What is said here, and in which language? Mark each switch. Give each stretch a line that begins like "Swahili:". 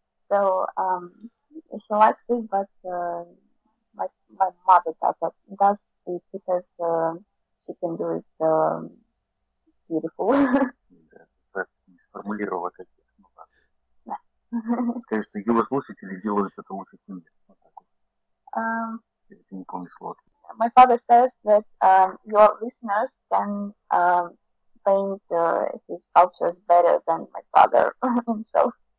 English: so she likes it, but my mother does it because she can do it beautiful.
Russian: Формулировать это. Скажи, что его слушатели делают это лучше, чем я. Я не помню слово.
English: My father says that your listeners can paint his sculptures better than my father himself.